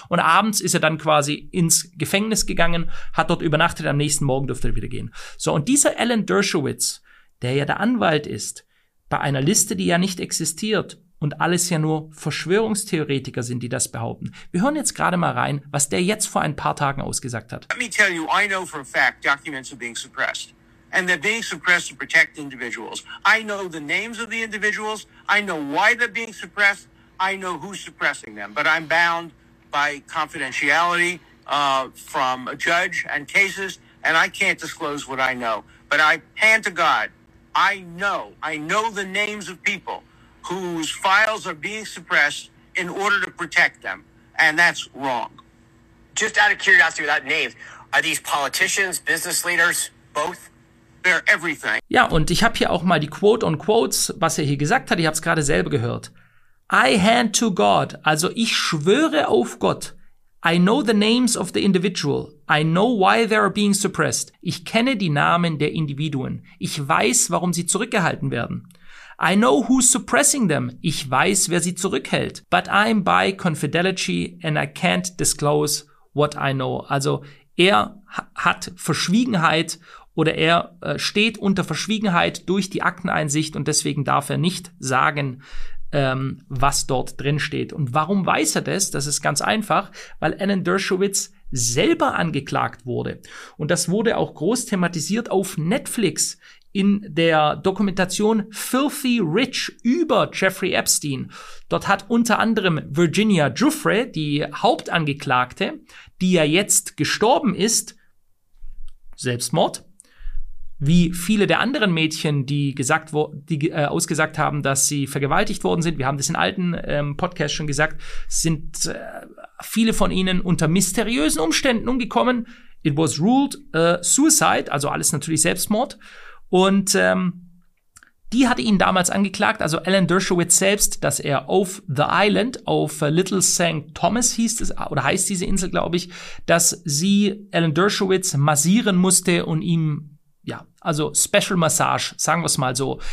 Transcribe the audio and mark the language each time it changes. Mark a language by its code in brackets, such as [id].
[de] Und abends ist er dann quasi ins Gefängnis gegangen, hat dort übernachtet, am nächsten Morgen durfte er wieder gehen. So, und dieser Alan Dershowitz, der ja der Anwalt ist, bei einer Liste, die ja nicht existiert und alles ja nur Verschwörungstheoretiker sind, die das behaupten. Wir hören jetzt gerade mal rein, was der jetzt vor ein paar Tagen ausgesagt hat. [en] Let me tell you, I know for a fact documents are being suppressed. And they're being suppressed to protect individuals. I know the names of the individuals. I know why they're being suppressed. I know who's suppressing them. But I'm bound by confidentiality from a judge and cases. And I can't disclose what I know. But I hand to God. I know the names of people whose files are being suppressed in order to protect them, and that's wrong. Just out of curiosity, without names, are these politicians, business leaders, both? They're everything. [de] Ja, und ich habe hier auch mal die Quote on Quotes, was er hier gesagt hat. Ich habe es gerade selber gehört. I hand to God, also ich schwöre auf Gott. [en] I know the names of the individual. I know why they are being suppressed. [de] Ich kenne die Namen der Individuen. Ich weiß, warum sie zurückgehalten werden. [en] I know who's suppressing them. [de] Ich weiß, wer sie zurückhält. [en] But I'm by confidentiality and I can't disclose what I know. [de] Also er hat Verschwiegenheit oder er steht unter Verschwiegenheit durch die Akteneinsicht und deswegen darf er nicht sagen, was dort drin steht. Und warum weiß er das? Das ist ganz einfach, weil Alan Dershowitz selber angeklagt wurde. Und das wurde auch groß thematisiert auf Netflix in der Dokumentation Filthy Rich über Jeffrey Epstein. Dort hat unter anderem Virginia Giuffre, die Hauptangeklagte, die ja jetzt gestorben ist, Selbstmord, wie viele der anderen Mädchen, ausgesagt haben, dass sie vergewaltigt worden sind, wir haben das in alten Podcasts schon gesagt, sind viele von ihnen unter mysteriösen Umständen umgekommen. It was ruled suicide, also alles natürlich Selbstmord. Und die hatte ihn damals angeklagt, also Alan Dershowitz selbst, dass er auf The Island, auf Little St. Thomas hieß es, oder heißt diese Insel, glaube ich, dass sie Alan Dershowitz massieren musste und ihm, ja, also Special Massage, sagen wir es mal so.